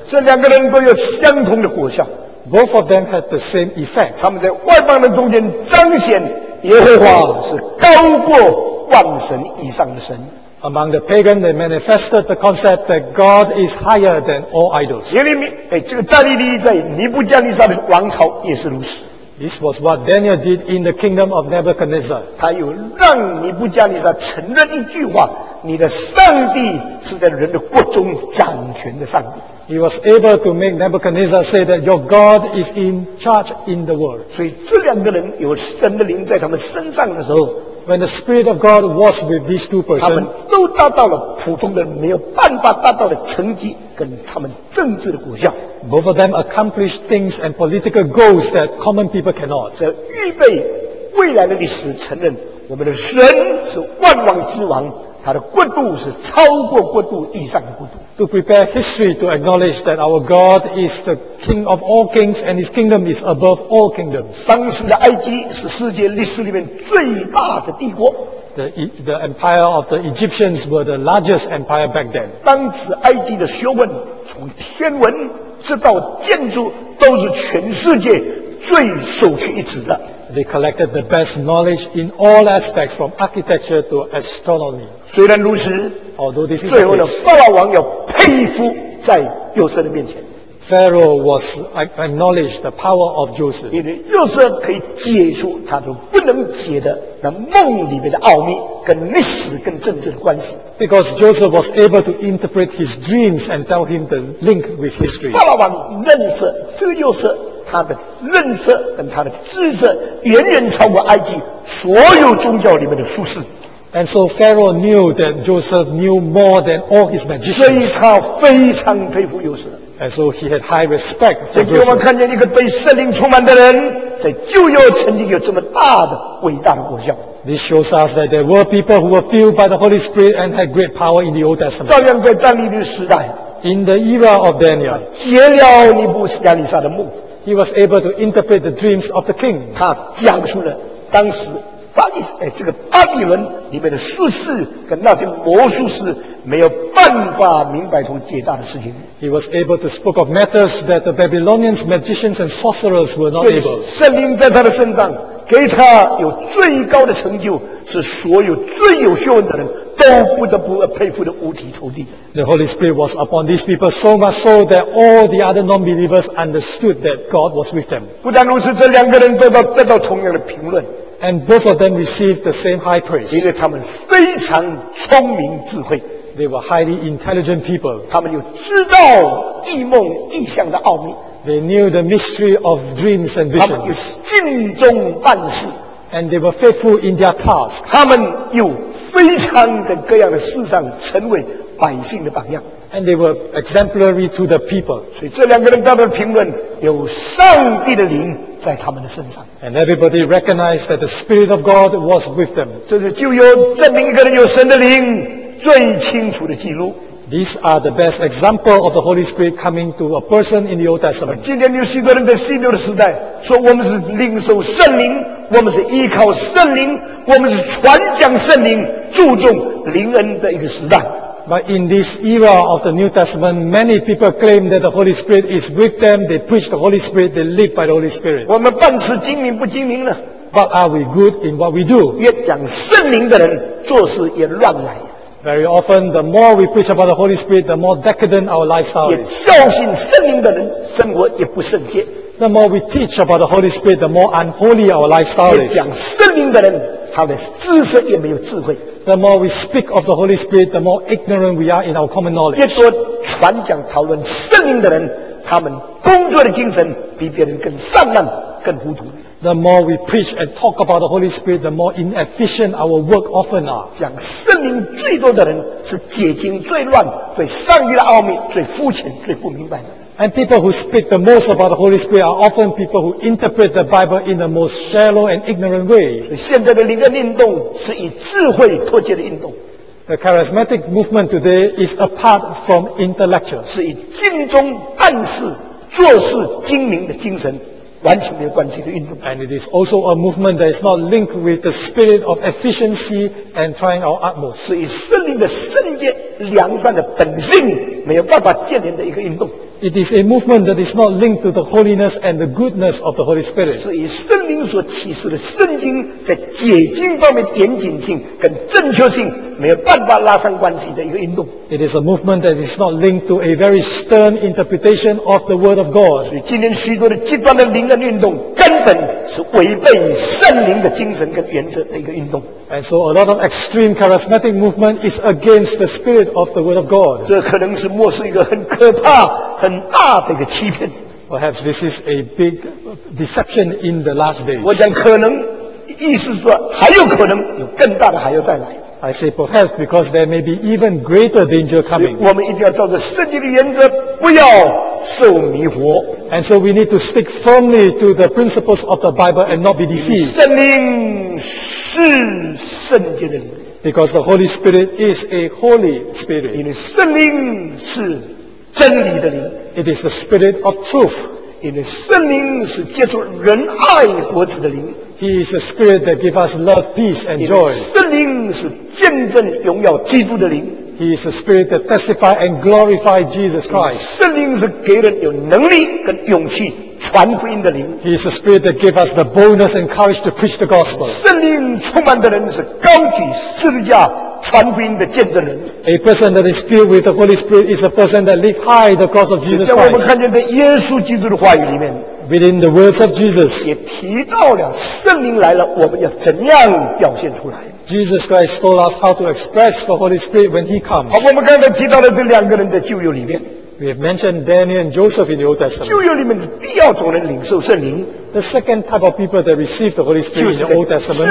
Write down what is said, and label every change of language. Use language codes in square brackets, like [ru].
[zh] 这两个人都有相同的果效。 [en] Both of them had the same effect. [zh] 他们在外邦人中间彰显耶和华是高过万神以上的神。 [en] Among the pagan, they manifested the concept that God is higher than all idols. [zh] 耶利米，这个但以理在尼布加利沙的王朝也是如此。 [en] This was what Daniel did in the kingdom of Nebuchadnezzar. [zh] 他又让尼布加利沙承认一句话。你的上帝是在人的国中掌权的上帝。 [en] He was able to make Nebuchadnezzar say that your God is in charge in the world. [zh] 所以这两个人有神的灵在他们身上的时候 [en] ，When the Spirit of God was with these two persons， [zh] 他们都达到了普通的没有办法达到的成绩跟他们政治的果效。 [en] Both of them accomplished things and political goals that common people cannot. [zh] 这预备未来的历史承认我们的神是万王之王。他的国度是超过国度以上的国度。 [en] To prepare history to acknowledge that our God is the King of all kings and His kingdom is above all kingdoms. [zh] 当时的埃及是世界历史里面最大的帝国。 [en] The empire of the Egyptians were the largest empire back then. [zh] 当时埃及的学问，从天文直到建筑，都是全世界最首屈一指的。 [en] They collected the best knowledge in all aspects from architecture to astronomy. [zh] 虽然如此 [en] although this is [zh] 最后呢法老王要佩服在约瑟的面前。 [en] Pharaoh was acknowledged the power of Joseph. [zh] 因为约瑟可以解除他都不能解的那梦里面的奥秘跟历史跟政治的关系。 [en] Because Joseph was able to interpret his dreams and tell him the link with history. [zh] 法老王认识这个约瑟他的认识跟他的知识远远超过埃及所有宗教里面的术士。 [en] And so Pharaoh knew that Joseph knew more than all his magicians. [zh] 所以他非常佩服约瑟。 [en] And so he had high respect for [zh] Joseph. 所以我们看见一个被圣灵充满的人，在旧约曾经有这么大的伟大的果效。 [en] This shows us that there were people who were filled by the Holy Spirit and had great power in the Old Testament. [zh] 照样在但以理的时代。 [en] In the era of Daniel. [zh] 解了尼布加利沙的梦。 [en] He was able to interpret the dreams of the king. [zh] 他讲述了当时这个巴比伦里面的术士跟那些魔术师没有办法明白和解答的事情。 [en] He was able to speak of matters that the Babylonians, magicians and sorcerers were not able. [zh] 圣灵在他的身上给他有最高的成就，是所有最有学问的人都不得不佩服的五体投地。 [en] The Holy Spirit was upon these people so much so that all the other non-believers understood that God was with them. [zh] 不但如此，这两个人得到同样的评论。 [en] And both of them received the same high praise. [zh] 因为他们非常聪明智慧。 [en] They were highly intelligent people. [zh] 他们又知道异梦异象的奥秘。 [en] They knew the mystery of dreams and visions. [zh] 他们又尽忠办事。 [en] And they were faithful in their task. [zh] 他们又非常在各样的事上成为百姓的榜样。 [en] And they were exemplary to the people. [zh] 所以这两个人他们评论有上帝的灵在他们的身上。 [en] And everybody recognized that the Spirit of God was with them. [zh] 这是就有证明一个人有神的灵最清楚的记录。 [en] These are the best example of the Holy Spirit coming to a person in the Old Testament. [zh] 今天有许多人在新约的时代说我们是领受圣灵，我们是依靠圣灵，我们是传讲圣灵，注重灵恩的一个时代。 [en] But in this era of the New Testament, many people claim that the Holy Spirit is with them. They preach the Holy Spirit. They live by the Holy Spirit. [zh] 我们办事精明不精明呢？ [en] But are we good in what we do? [zh] 越讲圣灵的人做事也乱来。 [en] Very often, the more we preach about the Holy Spirit, the more decadent our lifestyle is. [zh] 也教训圣灵的人，生活也不圣洁。 [en] The more we teach about the Holy Spirit, the more unholy our lifestyle is. [zh] 也讲圣灵的人，他的知识也没有智慧。 [en] The more we speak of the Holy Spirit, the more ignorant we are in our common knowledge. [zh] 越说传讲讨论圣灵的人，他们工作的精神比别人更散漫，更糊涂。 [en] The more we preach and talk about the Holy Spirit, the more inefficient our work often are. [zh] 讲圣灵最多的人是解经最乱，对上帝的奥秘最肤浅，最不明白的。 [en] And people who speak the most about the Holy Spirit are often people who interpret the Bible in the most shallow and ignorant way. [zh] 现在的灵恩运动是以智慧脱节的运动。 [en] The charismatic movement today is apart from intellectual. [zh] 是以尽忠办事、做事精明的精神。完全没有关系的运动。 [en] And it is also a movement that is not linked with the spirit of efficiency and trying our utmost. [zh] 是以圣灵的圣洁、良善的本性没有办法建立的一个运动。 [en] It is a movement that is not linked to the holiness and the goodness of the Holy Spirit. [zh] 是以圣灵所启示的圣经在解经方面的严谨性跟正确性没有办法拉上关系的一个运动。 [en] It is a movement that is not linked to a very stern interpretation of the Word of God. [zh] 所以今天许多的极端的灵恩运动根本是违背圣灵的精神跟原则的一个运动。 [en] And so a lot of extreme charismatic movement is against the spirit of the Word of God. [zh] 这可能是末世一个很可怕、很大的一个欺骗。 [en] Perhaps this is a big deception in the last days. [zh] 我讲可能，意思说还有可能有更大的还要再来。 [en] I say perhaps because there may be even greater danger coming. [zh] 我们一定要照着圣经的原则，不要受迷惑。 [en] And so we need to stick firmly to the principles of the Bible and not be deceived. [zh] 圣灵是圣洁的灵。 [en] Because the Holy Spirit is a holy spirit. [zh] 因为圣灵是真理的灵。 [en] It is the spirit of truth. [zh] 因为圣灵是接触仁爱果子的灵。 [en] He is the spirit that gives us love, peace, and joy. [zh] 圣灵是见证荣耀基督的灵。 [en] He is the spirit that testifies and glorifies Jesus Christ. [zh] 圣灵是给人有能力跟勇气传福音的灵。 [en] He is the spirit that gives us the boldness and courage to preach the gospel. [zh] 圣灵充满的人是高举十字架传福音的见证人。 [en] A person that is filled with the Holy Spirit is a person that lives high the cross of Jesus Christ. [zh] 在我们看见的耶稣基督的话语里面。 [en] Within the words of Jesus, [zh] 也提到了圣灵来了，我们要怎样表现出来 [en] ？Jesus Christ told us how to express the Holy Spirit when He comes. [zh] 好，我们刚才提到了这两个人在旧约里面。 [en] We have mentioned Daniel and Joseph in the Old Testament. [zh] 旧约里面的第二种人领受圣灵。 [en] The second type of people that received the Holy Spirit in the Old Testament.